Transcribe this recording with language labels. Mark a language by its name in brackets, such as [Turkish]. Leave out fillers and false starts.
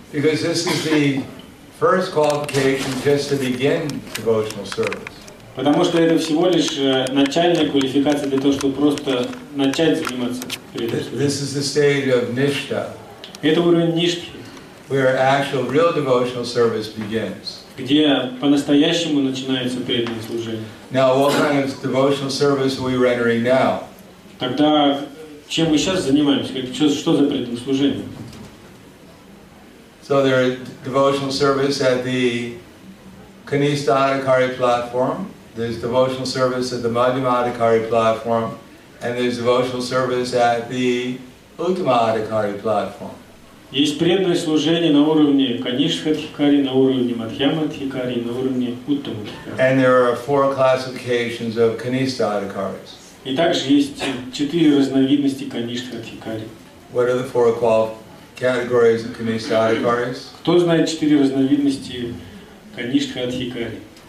[English] Because this is the first qualification just to begin devotional service. [Russian] Потому что это всего лишь начальная квалификация для того, чтобы просто начать заниматься преданным. [English] This is the stage of nishtha. [Russian] Это уровень ништхи. [English] where actual real devotional service begins. [Russian] Где по-настоящему начинается преданное служение. [English] Now, what kind of devotional service are we rendering now? [Russian] Тогда чем мы сейчас занимаемся? Что за преданное служение? [English] So there is devotional service at the Kanista Adhikari platform. There's devotional service at the Madhyama Adhikari platform, and there's devotional service at the Uttama Adhikari platform. [Russian] Есть преданное служение на уровне Канишха Адхикари, на уровне Мадхьяма Адхикари, на уровне Уттама Адхикари. [English] And there are four classifications of Kanista Adhikaris. [Russian] И также есть четыре разновидности Канишха Адхикари. [English] What are the four categories of Kanista Adhikaris? [Russian] Кто знает четыре разновидности Канишха Адхикари?